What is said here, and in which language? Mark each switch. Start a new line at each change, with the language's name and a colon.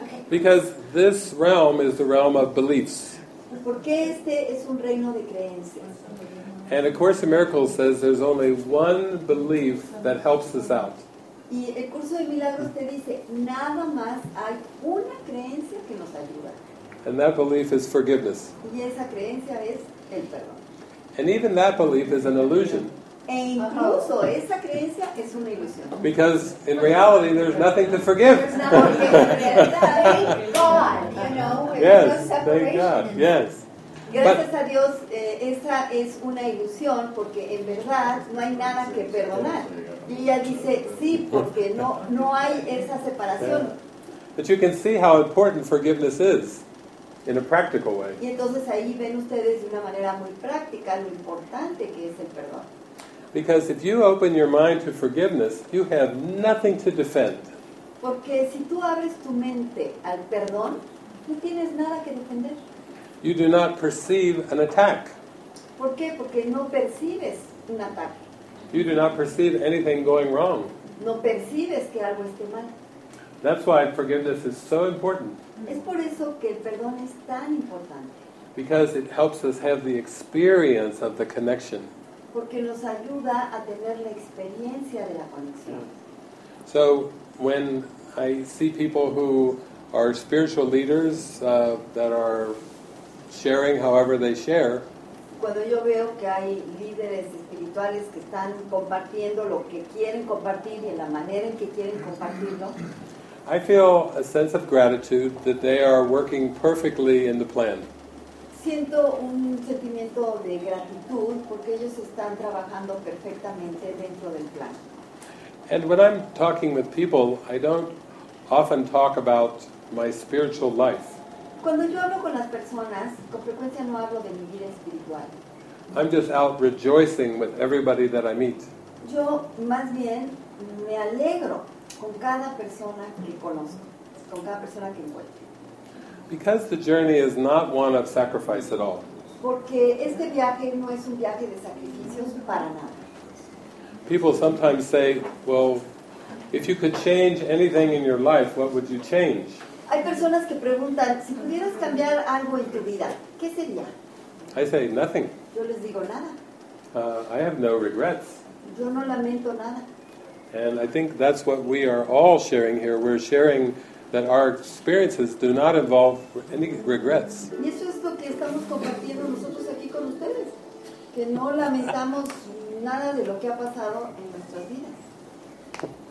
English: Because this realm is the realm of beliefs.
Spanish: Porque este es un reino de creencias.
English: And A Course in Miracles says there's only one belief that helps us out.
Spanish: Y el curso de milagros te dice, nada más hay una creencia que nos ayuda.
English: And that belief is forgiveness.
Spanish: Y esa creencia es el perdón.
English: And even that belief is an illusion.
Spanish: E incluso esa creencia es una ilusión.
English: Because in reality, there's nothing to forgive. Thank God, you know. Yes, thank God, yes.
Spanish: Gracias a Dios, esa es una ilusión, porque en verdad no hay nada que perdonar. Y ella dice, sí, porque no hay esa separación.
English: But you can see how important forgiveness is. In a practical way.
Spanish: Y entonces ahí ven ustedes de una manera muy práctica lo importante que es el perdón.
English: Because if you open your mind to forgiveness, you have nothing to defend.
Spanish: Porque si tú abres tu mente al perdón, no tienes nada que defender.
English: You do not perceive an attack.
Spanish: ¿Por qué? Porque no percibes un ataque.
English: You do not perceive anything going wrong.
Spanish: No percibes que algo esté mal.
English: That's why forgiveness is so important.
Spanish: Es por eso que el perdón es tan importante.
English: Because it helps us have the experience of the connection.
Spanish: Porque nos ayuda a tener la experiencia de la conexión.
English: So when I see people who are spiritual leaders that are sharing however they share,
Spanish: cuando yo veo que hay líderes espirituales que están compartiendo lo que quieren compartir y en la manera en que quieren compartirlo,
English: I feel a sense of gratitude that they are working perfectly in the plan.
Spanish: Siento un sentimiento de gratitud porque ellos están trabajando perfectamente dentro del plan.
English: And when I'm talking with people, I don't often talk about my spiritual life.
Spanish: Cuando yo hablo con las personas, con frecuencia no hablo de mi vida espiritual.
English: I'm just out rejoicing with everybody that I meet.
Spanish: Yo más bien me alegro con cada persona que conozco, con cada persona que encuentro.
English: Because the journey is not one of sacrifice at all.
Spanish: Porque este viaje no es un viaje de sacrificios para nada.
English: People sometimes say, well, if you could change anything in your life, what would you change?
Spanish: Hay personas que preguntan, si pudieras cambiar algo en tu vida, ¿qué sería?
English: I say, nothing.
Spanish: Yo les digo nada.
English: I have no regrets.
Spanish: Yo no lamento nada.
English: And I think that's what we are all sharing here. We're sharing that our experiences do not involve any regrets.
Spanish: Y eso es lo que estamos compartiendo nosotros aquí con ustedes. Que no lamentamos nada de lo que ha pasado en nuestras vidas.